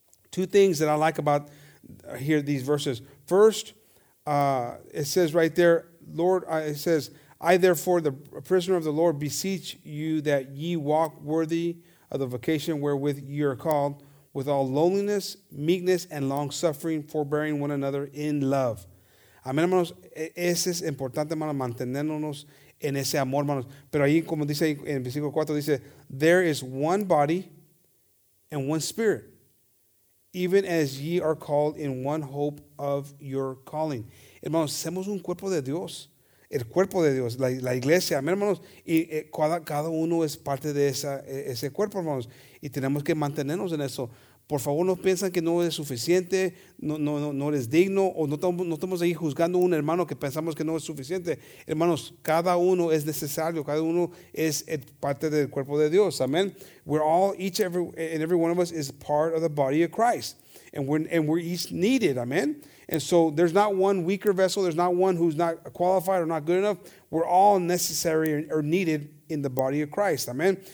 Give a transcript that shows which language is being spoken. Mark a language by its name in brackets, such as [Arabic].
[English] Two things that I like about here, these verses. First, it says right there, Lord, it says, I therefore, the prisoner of the Lord, beseech you that ye walk worthy of the vocation wherewith ye are called, with all lowliness, meekness, and long-suffering, forbearing one another in love. [Spanish] Amén, hermanos. Ese es importante, hermanos, mantenernos en ese amor, hermanos. Pero ahí, como dice ahí, en versículo 4, dice, [English] there is one body and one spirit, even as ye are called in one hope of your calling. [Spanish] Hermanos, somos un cuerpo de Dios. El cuerpo de Dios, la iglesia, amén, hermanos. Y cada uno es parte de ese cuerpo, hermanos. Y tenemos que mantenernos en eso. Por favor, no piensan que no es suficiente, no eres digno, o no estamos ahí juzgando a un hermano que pensamos que no es suficiente. Hermanos, cada uno es necesario, cada uno es parte del cuerpo de Dios. [English] Amen. We're all, each and every one of us is part of the body of Christ. And we're each needed. Amen. And so there's not one weaker vessel, there's not one who's not qualified or not good enough. We're all necessary or needed in the body of Christ. Amen.